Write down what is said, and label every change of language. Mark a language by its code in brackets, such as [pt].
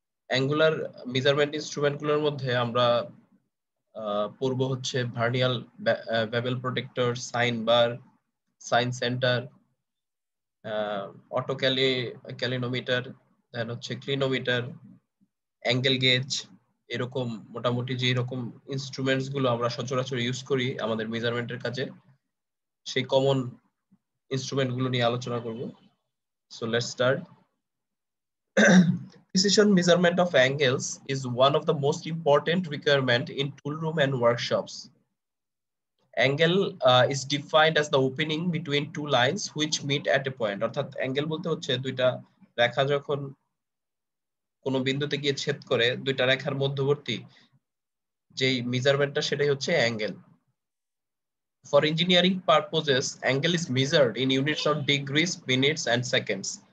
[bn] Angular measurement instrument গুলোর মধ্যে আমরা পড়বো হচ্ছে ভার্নিয়াল, বেবেল প্রোটেক্টর, সাইন বার, সাইন সেন্টার, অটো ক্যালিনোমিটার, দেন হচ্ছে ক্লিনোমিটার, অ্যাঙ্গেল গেজ, এরকম মোটামুটি যে রকম ইনস্ট্রুমেন্ট গুলো আমরা সচরাচর ইউজ করি আমাদের মেজারমেন্টের কাজে, সেই কমন ইনস্ট্রুমেন্ট গুলো নিয়ে আলোচনা করব। [en] So let's start. Precision measurement of angles is one of the most important requirement in toolroom and workshops. Angle is defined as the opening between two lines which meet at a point. [bn] অর্থাৎ angle বলতে হচ্ছে দুইটা রেখা যখন কোনো বিন্দুতে গিয়ে ছেদ করে, দুইটা রেখার মধ্যবর্তী যেই মেজারমেন্টটা সেটাই হচ্ছে angle. [en] For engineering purposes, angle is measured in units of degrees, minutes and seconds.